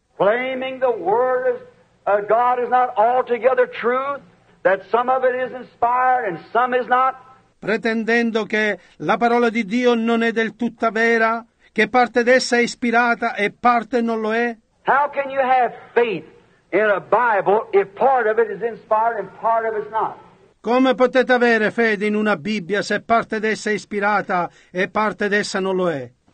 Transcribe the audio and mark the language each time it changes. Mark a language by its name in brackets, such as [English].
[English] Claiming the word of God is not altogether true, that some of it is inspired and some is not. [Italian] Pretendendo che la parola di Dio non è del tutta vera, che parte d'essa è ispirata e parte non lo è. [English] How can you have faith in a Bible if part of it is inspired and part of it is not? [Italian] Come potete avere fede in una Bibbia se parte d'essa è ispirata e parte d'essa non lo è?